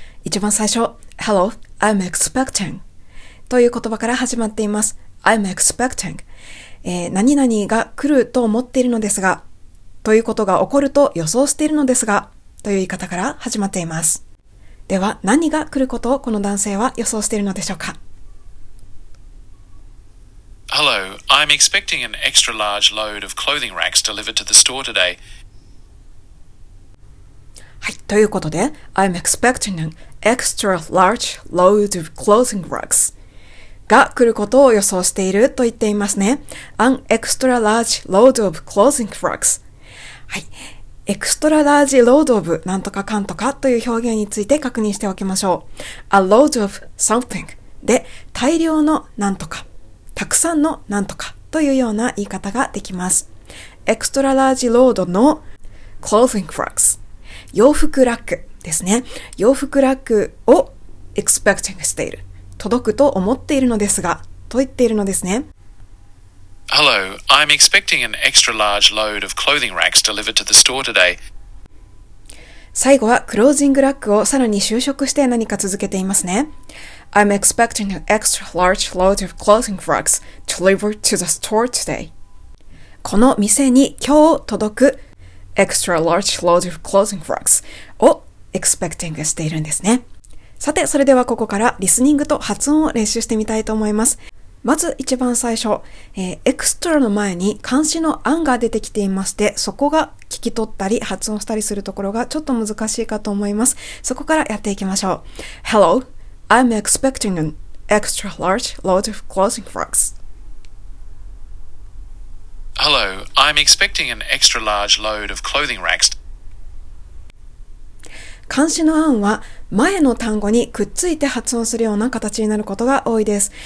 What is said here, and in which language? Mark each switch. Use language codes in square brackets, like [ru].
[ja] 一番最初、 [en] Hello, I'm expecting [ja] という言葉から始まっています。 [en] I'm expecting、 [ja] 何々が来ると思っているのですが、ということが起こると予想しているのですが、という言い方から始まっています。では、何が来ることをこの男性は予想しているのでしょうか。 [en] Hello, I'm expecting an extra large load of clothing racks delivered to the store today. [ja] はい、ということで、 [en] I'm expecting an extra large load of clothing racks [ja] が来ることを予想していると言っていますね。 [en] An extra large load of clothing racks。 [ja] はい、エクストララージロードオブなんとかかんとかという表現について確認しておきましょう。 [en] A load of something [ja] で大量のなんとか、たくさんのなんとかというような言い方ができます。エクストララージロードの [en] clothing racks、 [ja] 洋服ラックですね。洋服ラックを expecting している、届くと思っているのですがと言っているのですね。 [en] Hello, I'm expecting an extra large load of clothing racks delivered to the store today. [ja] 最後はクロージングラックをさらに修飾して何か続けていますね。 [en] I'm expecting an extra large load of clothing racks delivered to the store today. [ja] この店に今日届く [en] extra large load of clothing racks [ja] を expecting しているんですね。さて、それではここからリスニングと発音を練習してみたいと思います。まず一番最初、エクストラの前に漢詩の案が出てきていまして、そこが聞き取ったり発音したりするところがちょっと難しいかと思います。そこからやっていきましょう。 [en] Hello, I'm expecting an extra large load of clothing racks. Hello, I'm expecting an extra large load of clothing racks. [ja] 漢詩の案は前の単語にくっついて発音するような形になることが多いです。